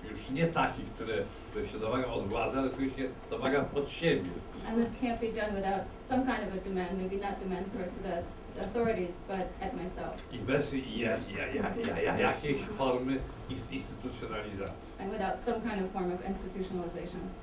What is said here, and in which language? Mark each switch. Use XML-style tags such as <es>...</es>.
<pl>Już nie takich, które się domaga od władzy, ale które się domaga od siebie.</pl> <en>And this can't be done without some kind of a demand, maybe not demands for the authorities, but at myself.</en> <pl>I bez jakiejś formy instytucjonalizacji.</pl> <en>And without some kind of form of institutionalization.</en>